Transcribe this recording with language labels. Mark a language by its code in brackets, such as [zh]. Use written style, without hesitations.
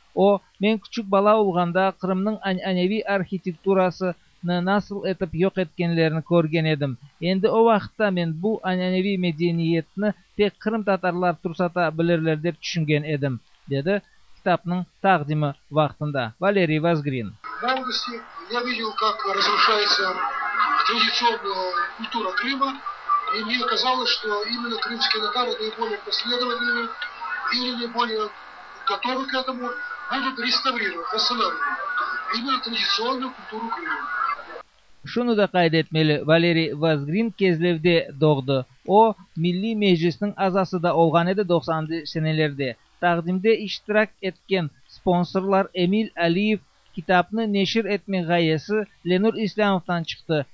[crh] O, men küçük bala olganda Kırım'nın anevi arhitekturasını nasıl etip yok etkenlerini körgen edim. Endi o vaxta men bu anevi medeniyetini tek Kırım Tatarlar tursata bilirler deyip düşüngen edim, dedi kitabının tağzimi vaxtında Valeri Vazgrin. [ru] В августе я видел, как разрушается традиционная культура Крыма, и мне казалось, что именно крымские татары наиболее последовательны или наиболее готовы к этому, будут реставрировать, восстанавливать именно традиционную культуру Крыма. [crh] Şunu da kaydetmeli Valeri Vazgrin Kezlev'de doğdu. O, Milli Meclis'in azası da olgan edi 90'lı senelerde. Takdimde iştirak etken sponsorlar Emil Aliyev kitabını neşir etme gayesi Lenur İslamov'dan çıktı.